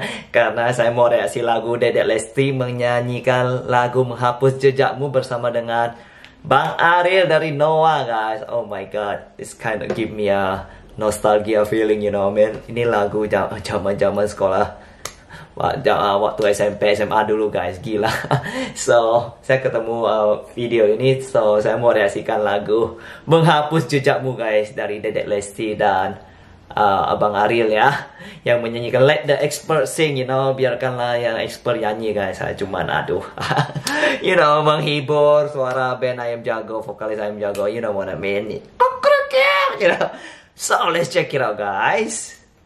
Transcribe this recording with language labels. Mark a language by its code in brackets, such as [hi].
[id] Karena saya mau reaksi lagu Dedek Lesti menyanyikan lagu Menghapus Jejakmu bersama dengan Bang Ariel dari Noah guys. [en] Oh my god, this kind of give me a nostalgia feeling, you know what I mean? [id] Ini lagu zaman-zaman sekolah waktu SMP SMA dulu guys, gila. So saya ketemu video ini, so saya mau reaksikan lagu Menghapus Jejakmu guys dari Dedek Lesti dan Abang Ariel ya, yang menyanyikan. [en] Let the expert sing, you know. [id] Biarkanlah yang expert nyanyi guys. Saya cuman aduh. You know, menghibur suara band Ayam Jago, vokalis Ayam Jago. [en] You know what I mean. You know. So let's check it out guys.